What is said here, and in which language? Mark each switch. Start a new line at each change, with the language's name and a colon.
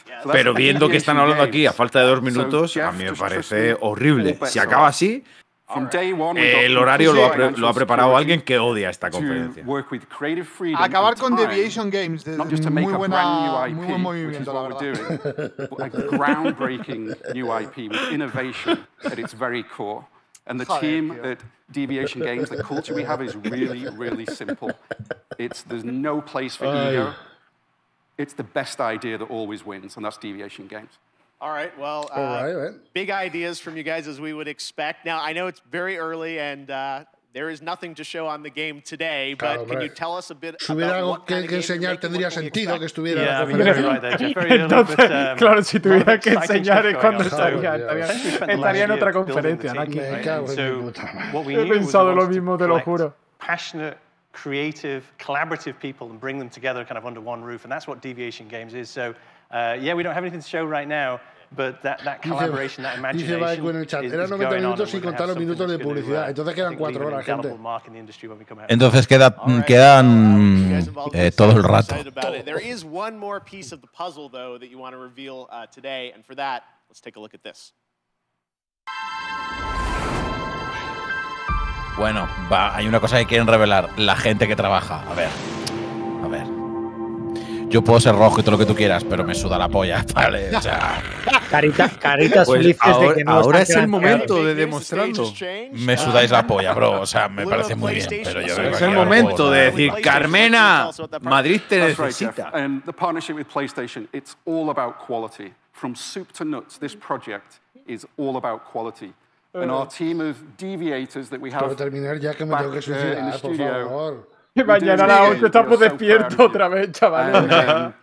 Spanish: Pero viendo que están hablando aquí a falta de 2 minutos, a mí me parece horrible. Si acaba así, El horario lo ha preparado alguien que odia esta conferencia. Acabar con Deviation Games es muy buena, muy buen movimiento, la verdad.
English: Groundbreaking new IP with innovation at its very core. And the team at Deviation Games, the culture we have is really, really simple. It's there's no place for ego. It's the best idea that always wins, and that's Deviation Games. All right, well, big ideas from you guys, as we would expect. Now, I know it's very early, and there is nothing to show on the game today, but can you tell us a bit about what kind of game you're making? What would you expect? Yeah, I mean, you're right there, Jeffrey.
Spanish: Entonces, claro, si tuviera que enseñar es cuando estaría en otra conferencia, Naki. He pensado lo mismo, te lo juro.
English: Passionate, creative, collaborative people and bring them together kind of under one roof, and that's what Deviation Games is. So, we don't have anything to show right now, but that collaboration, that imagination is going on.
Spanish: Eran 90 minutos sin contar los minutos de publicidad. Entonces quedan 4 horas, gente. Entonces quedan todo el rato. There is one more piece of the puzzle, though, that you want to reveal today, and for that, let's take a look at this. Bueno, hay una cosa que quieren revelar. La gente que trabaja. A ver. Yo puedo ser rojo y todo lo que tú quieras, pero me suda la polla, ¿vale? O sea. Caritas pues felices ahora, de que no. Ahora es el momento de demostrarlo. Me sudáis la polla, bro. O sea, me parece muy bien. Pero yo es el momento de decir, Carmena, Madrid te necesita.
English: And the partnership with PlayStation, it's all about quality. From soup to nuts, this project is all about quality. And our team of deviators that we have.
Spanish: Para terminar ya que me tengo que suicidar, por studio. Favor. Que mañana a las 8 estamos despiertos otra vez, chaval.